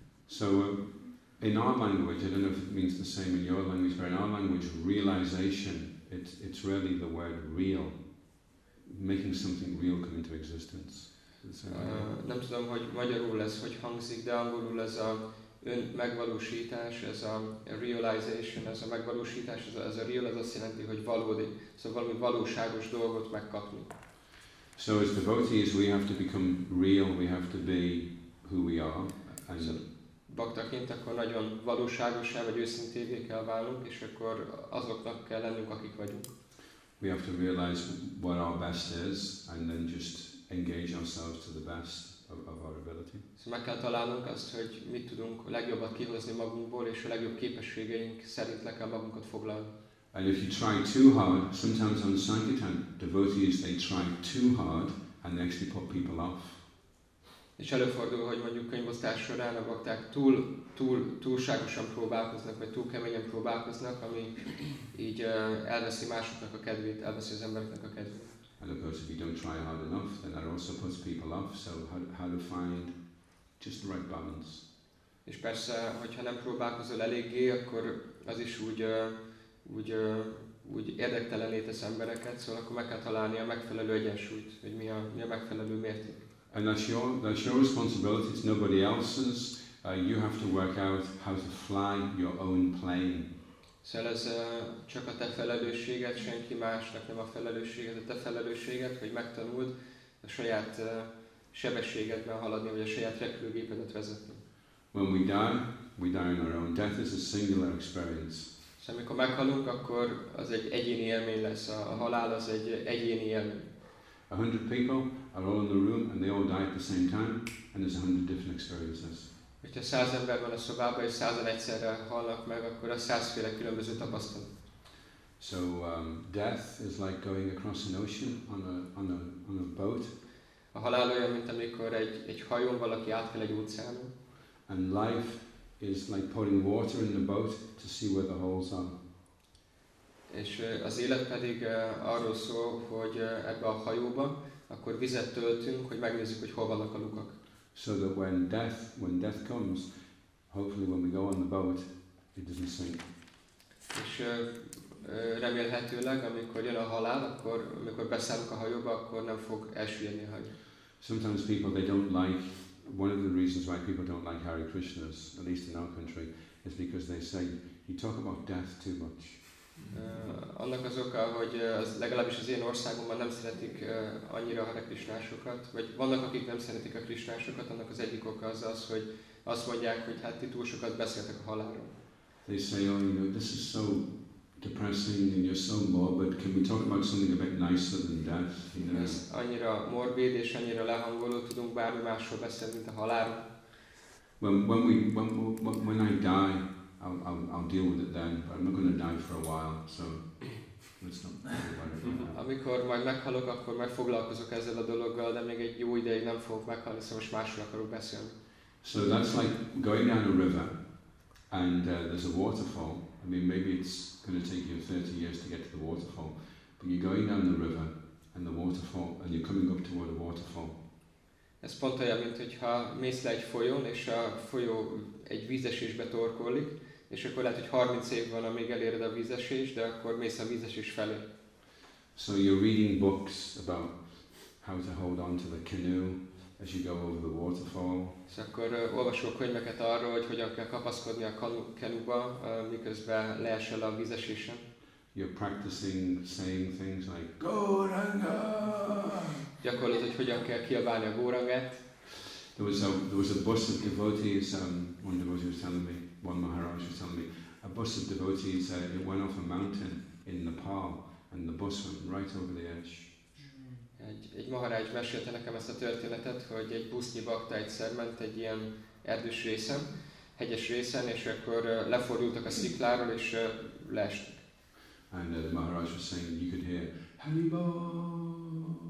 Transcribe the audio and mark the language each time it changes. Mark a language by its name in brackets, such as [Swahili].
[English] So, in our language, I don't know if it means the same in your language, but in our language, realization, it's really the word real. Making something real come into existence. [Hungarian] Nem tudom, hogy magyarul ez hogy hangzik, de angolul ez a ön megvalósítás, ez a realization, ez a megvalósítás, ez a real, ez azt jelenti, hogy valódi, szóval valami valóságos dolgot megkapni. [English] So as devotees, we have to become real, we have to be who we are. And so, [Hungarian] baktaként akkor nagyon valóságosan vagy őszintévé kell válnunk, és akkor azoknak kell lennünk, akik vagyunk. [English] We have to realize what our best is, and then just engage ourselves to the best of our ability. [Hungarian] Szóval meg kell találnunk azt, hogy mit tudunk a legjobbat kihozni magunkból, és a legjobb képességeink szerint le kell magunkat foglalni. [English] And if you try too hard, sometimes on Sankirtan, devotees, they try too hard, and they actually put people off. [Hungarian] És előfordul, hogy mondjuk könyvosztás során a bakták túlságosan próbálkoznak, vagy túl keményen próbálkoznak, ami így elveszi másoknak a kedvét, elveszi az embereknek a kedvét. [English] And of course, if you don't try hard enough, then that also puts people off. So how to find just the right balance? [Hungarian] És persze, hogyha nem próbálkozol eléggé, akkor az is úgy érdektelenné tesz embereket. Szóval akkor meg kell találni a megfelelő egyensúlyt, hogy mi a megfelelő mérték. [English] And that's your responsibility. It's nobody else's. You have to work out how to fly your own plane. [Hungarian] Szóval ez csak a te felelősséged, senki másnak nem a felelősséged, a te felelősséged, hogy megtanuld a saját sebességedben haladni, vagy a saját repülőgépedet vezetni. [English] When we die in our own death, is a singular experience. [Hungarian] Szóval amikor meghalunk, akkor az egy egyéni élmény lesz, a halál az egy egyéni élmény. [English] 100 people are all in the room and they all die at the same time, and there's 100 different experiences. [Hungarian] Hogyha 100 ember van a szobában és 100-an egyszerre hallnak meg, akkor a 100 féle különböző tapasztalat. [English] So death is like going across an ocean on a boat. [Hungarian] A halál olyan, mint amikor egy hajón valaki átkel egy óceánon. [English] And life is like pouring water in the boat to see where the holes are. [Hungarian] És az élet pedig arról szól, hogy ebbe a hajóba akkor vizet töltünk, hogy megnézzük, hogy hol vannak a lukak. [English] So that when death comes, hopefully when we go on the boat, it doesn't sink. [Hungarian] És remélhetőleg, amikor jön a halál, akkor amikor beszállunk a hajóba, akkor nem fog elsüllyedni a hajó. [English] Sometimes people, they don't like, one of the reasons why people don't like Hare Krishnas, at least in our country, is because they say, you talk about death too much. [Hungarian] Annak az oka, hogy legalábbis az én országomban nem szeretik annyira a krisnásokat, vagy vannak, akik nem szeretik a krisnásokat, annak az egyik oka az, hogy azt mondják, hogy hát ti túl sokat beszéltek a halálról. [English] They say, oh, you know, this is so depressing and you're so morbid, can we talk about something a bit nicer than death? You know? [Hungarian] Ez annyira morbid és annyira lehangoló, tudunk bármi másról beszélni, mint a halálról. [English] When I die, I'll deal with it then, but I'm not going to die for a while, so let's not worry about it. [Hungarian] Amikor majd meghalok, akkor megfoglalkozok ezzel a dologgal, de még egy jó ideig nem fogok meghalni, szóval most másról akarok beszélni. [English] So that's like going down a river, and there's a waterfall. I mean, maybe it's going to take you 30 years to get to the waterfall, But you're going down the river and the waterfall, and you're coming up toward a waterfall. [Hungarian] Ez pont olyan, mint hogyha mész le egy folyón, és a folyó egy vízesésbe torkollik, és akkor lehet, hogy 30 év van, amíg eléred a vízesés, de akkor mész a vízesés felé. [English] So you're reading books about how to hold on to the canoe as you go over the waterfall. [Hungarian] És akkor olvasok könyveket arról, hogy hogyan kell kapaszkodni a kanuba, miközben leesel a vízesésen. [English] You're practicing saying things like go ranga. [Hungarian] Gyakorlod, hogy hogyan kell kiabálni a góranget. [English] There was a bus of devotees, one devotee was telling me, one Maharaj was telling me, a bus of devotees, it went off a mountain in Nepal, and the bus went right over the edge. [Hungarian] Egy Maharaj mesélte nekem ezt a történetet, hogy egy busznyi bakta egyszer ment egy ilyen erdős részen, hegyes részen, és akkor lefordultak a szikláról, és leestek. [English] And the Maharaj was saying, you could hear, Haribo!